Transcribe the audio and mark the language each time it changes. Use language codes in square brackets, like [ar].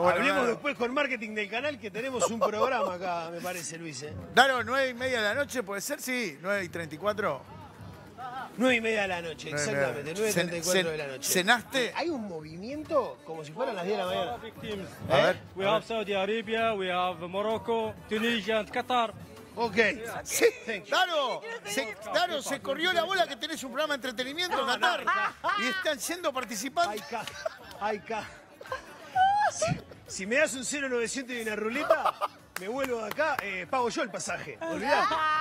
[es] Bueno, hablemos claro. Después con marketing del canal, que tenemos un programa acá, me parece, Luis. Daro, 9:30 de la noche, puede ser, sí. 9:34. 9:30 de la noche, exactamente. 9:34 de la noche. ¿Cenaste? Hay un movimiento como si fueran las 10 de la mañana. A ver. [en] We have Saudi Arabia, we have Morocco, Tunisia and Qatar. Ok, [es] sí, claro, se corrió la bola que tenés un programa de entretenimiento en Qatar y están siendo participantes. Ay, ca. Si me das un 0,900 y una ruleta, me vuelvo de acá, pago yo el pasaje. Olvidate.